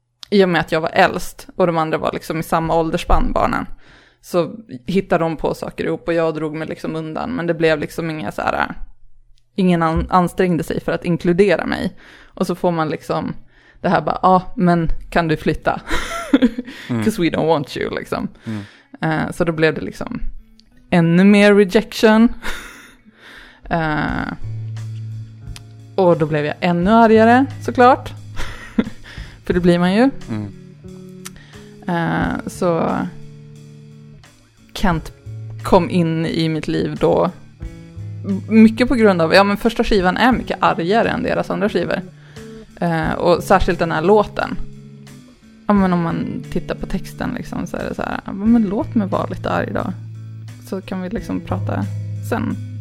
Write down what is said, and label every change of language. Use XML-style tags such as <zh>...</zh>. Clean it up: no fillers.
<sv>I och med att jag var äldst och de andra var liksom i samma åldersspann, barnen. Så hittade de på saker ihop och jag drog mig liksom undan. Men det blev liksom inga så här, ingen ansträngde sig för att inkludera mig. Och så får man liksom det här bara, ah, men kan du flytta?</sv> <en>Because we don't want you, liksom. Mm.</en> <sv>Så då blev det liksom ännu mer rejection. och då blev jag ännu argare, såklart. för det blir man ju. Så... Kent kom in i mitt liv då mycket på grund av, ja men första skivan är mycket argare än deras andra skivor, och särskilt den här låten, ja men om man tittar på texten liksom så är det så här, men låt mig vara lite arg då så kan vi liksom prata sen.</sv>